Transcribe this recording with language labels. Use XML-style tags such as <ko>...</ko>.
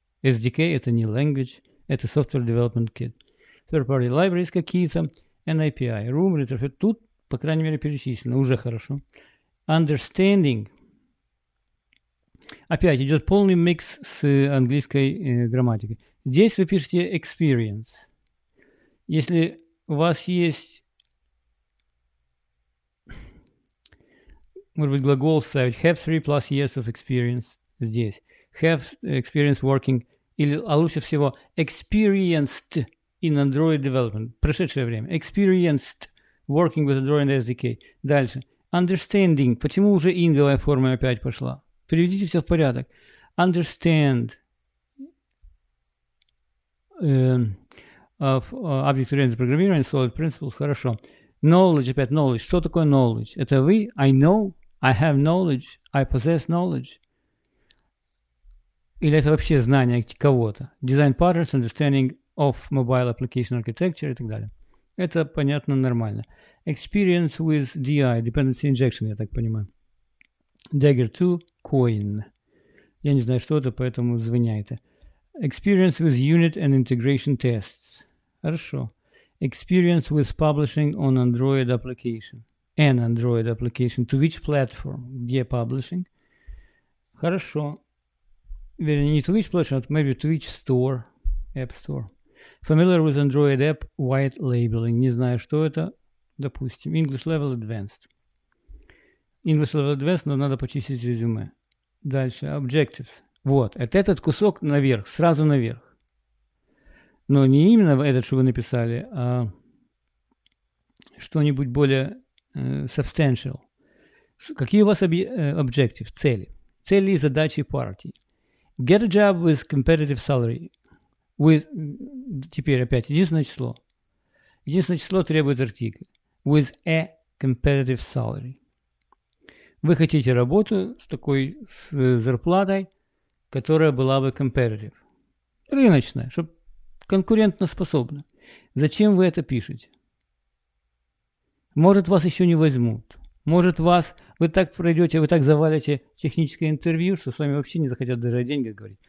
<en>SDK – это не language, это Software Development Kit. Third-party libraries какие-то, NIPI, Room, Interface.</en> <ru>Тут, по крайней мере, перечислено, уже хорошо.</ru> <en>Understanding.</en> <ru>Опять идет полный микс с английской грамматикой. Здесь вы пишете experience. Если у вас есть, может быть, глагол ставить</ru> <en>have 3 plus years of experience</en> <ru>здесь.</ru> <en>Have experience working.</en> <ru>Или, а лучше всего</ru> <en>experienced in Android development.</en> <ru>Прошедшее время.</ru> <en>Experienced working with Android SDK.</en> <ru>Дальше. Understanding. Почему уже инговая форма опять пошла? Приведите все в порядок.</ru> <en>Understand of object-oriented programming, solid principles.</en> <ru>Хорошо.</ru> <en>Knowledge,</en> <ru>опять</ru> <en>knowledge.</en> <ru>Что такое knowledge? Это вы?</ru> <en>I know, I have knowledge, I possess knowledge.</en> <ru>Или это вообще знание кого-то?</ru> <en>Design patterns, understanding of mobile application architecture</en> <ru>и так далее. Это понятно, нормально.</ru> <en>Experience with DI, dependency injection,</en> <ru>я так понимаю.</ru> <en>Dagger 2, coin.</en> <ru>Я не знаю, что это, поэтому звоняйте.</ru> <en>Experience with unit and integration tests.</en> <ru>Хорошо.</ru> <en>Experience with publishing on Android application. An Android application. To which platform?</en> <ru>Где publishing? Хорошо. Вернее, не</ru> <en>to which platform, but maybe to which store. App store. Familiar with Android app white labeling.</en> <ru>Не знаю, что это. Допустим.</ru> <en>English level advanced. English level advanced,</en> <ru>но надо почистить резюме. Дальше. Objectives. Вот. Это этот кусок наверх. Сразу наверх. Но не именно этот, что вы написали, а что-нибудь более substantial. Какие у вас objectives, цели? Цели и задачи партии.</ru> <en>Get a job with competitive salary.</en> <ru>With, теперь опять единственное число. Единственное число требует артикль.</ru> <en>With a competitive salary.</en> <ru>Вы хотите работу с такой с зарплатой, которая была бы competitive. Рыночная, чтобы конкурентоспособна. Зачем вы это пишете? Может, вас еще не возьмут. Может, вы так пройдете, вы так завалите техническое интервью, что с вами вообще не захотят даже о деньгах говорить.</ru>